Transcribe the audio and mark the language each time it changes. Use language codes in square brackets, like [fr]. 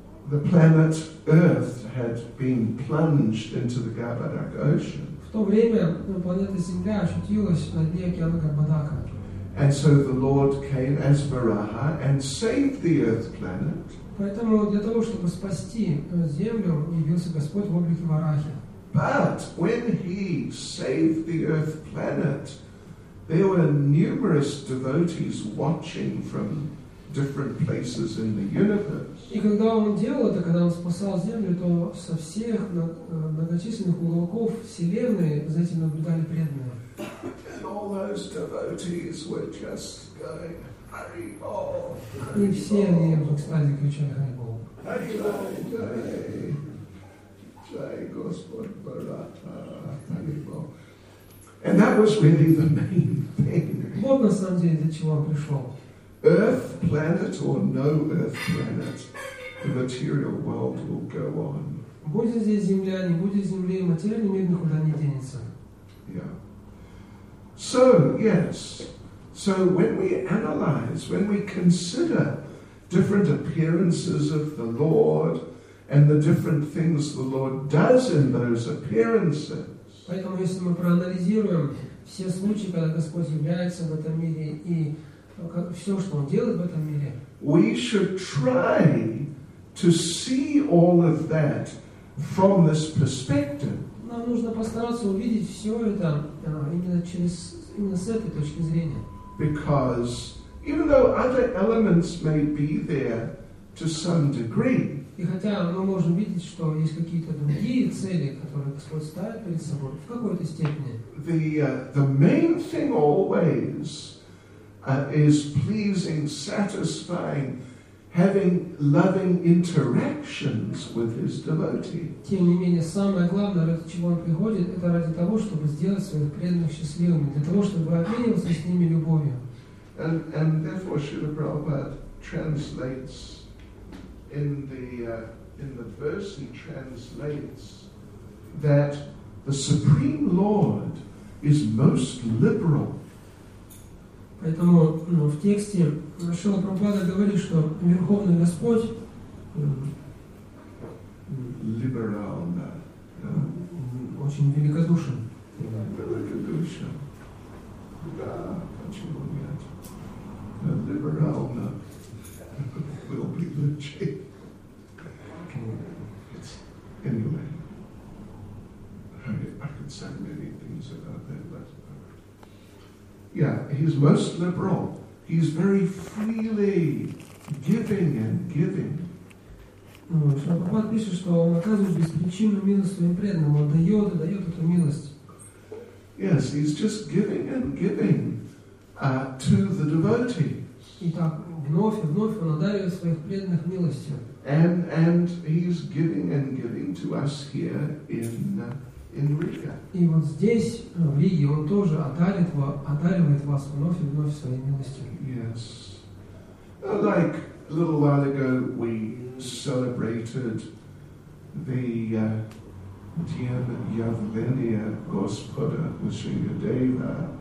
[en] The planet Earth had been plunged into the Garbhodak Ocean. [ru] В то время планета Земля очутилась на дне океана Гарбхадака. [en] And so the Lord came as Varaha and saved the Earth planet. [ru] Поэтому для того, чтобы спасти Землю, явился Господь в облике Варахи. [en] But when he saved the Earth planet, there were numerous devotees watching from different places in the universe. [ru] И когда он делал это, когда он спасал Землю, то со всех многочисленных уголков Вселенной за этим наблюдали преданные. [en] And all those devotees were just going, "Hari Bol." [ru] И все они в экстазе кричали "Hari Bol." [sa] Hari Bol, Jai Gospod Bharata, Hari Bol. [en] And that was really the main thing. [ru] Вот на самом деле для чего он пришел. [en] Earth planet or no Earth planet, the material world will go on. [ru] Будет здесь земля, не будет земли, материальный мир никуда не денется. [en] Yeah. So yes. So when we analyze, when we consider different appearances of the Lord and the different things the Lord does in those appearances. [ru] Поэтому если мы проанализируем все случаи, когда Господь является в этом мире и все, что Он делает в этом мире, [en] we should try to see all of that from this perspective. [ru] Нам нужно постараться увидеть все это именно через именно с этой точки зрения. [en] Because even though other elements may be there to some degree. [ru] И хотя мы можем видеть, что есть какие-то другие цели, которые Господь ставит перед собой, в какой-то степени. [en] The main thing always is pleasing, satisfying, having loving interactions with his devotee. [ru] Тем не менее, самое главное, ради чего он приходит, это ради того, чтобы сделать своих преданных счастливыми, для того, чтобы обмениваться с ними любовью. [en] And therefore Srila Prabhupada translates in the verse, he translates that the Supreme Lord is most liberal. [ru] Поэтому в тексте Шрила Прабхупада говорит, что Верховный Господь либерально, очень великодушен. Великодушен. Да, почему нет? Либерально. [en] Will be the chief. Anyway, I could say many things about that, but yeah, he's most liberal. He's very freely giving and giving. [ru] Шрила пишет, что он оказывает беспричинную милость своим преданным. Он дает и дает эту милость. [en] Yes, he's just giving and giving to the devotees. [ru] И так вновь и вновь он одаривает своих преданных милостью. [en] And he's giving and giving to us here in Riga. [ru] И вот здесь в Риге он тоже одаривает вас вновь и вновь своей милостью. [en] Yes. Like a little while ago, we celebrated the [ru] Dien Явления Господа Васудева.